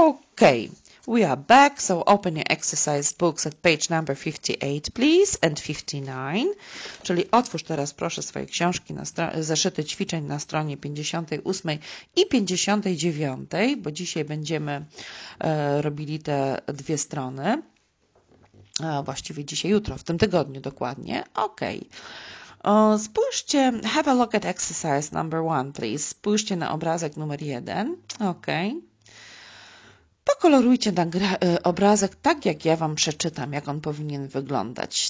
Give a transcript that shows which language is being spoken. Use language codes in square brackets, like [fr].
[en] Okay, we are back, so open your exercise books at page number 58, please, and 59. [pl] Czyli otwórz teraz, proszę, swoje książki, zeszyty ćwiczeń na stronie 58 i 59, bo dzisiaj będziemy robili te dwie strony. Właściwie dzisiaj, jutro, w tym tygodniu dokładnie. Okej. Okay. Spójrzcie, [en] have a look at exercise number one, please. [pl] Spójrzcie na obrazek numer 1. Okej. Okay. Pokolorujcie obrazek tak, jak ja Wam przeczytam, jak on powinien wyglądać.